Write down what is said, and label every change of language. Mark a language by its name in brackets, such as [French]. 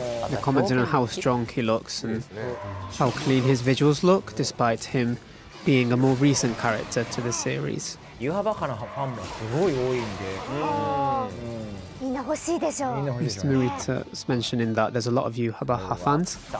[English] The comments on how strong he looks and how clean his visuals look, despite him being a more recent character to the series. [Japanese] ユハバカのファンもすごい多いんで、みんな欲しいでしょう。 [English] Mr. Murita is mentioning that there's a lot of ユハバカ fans.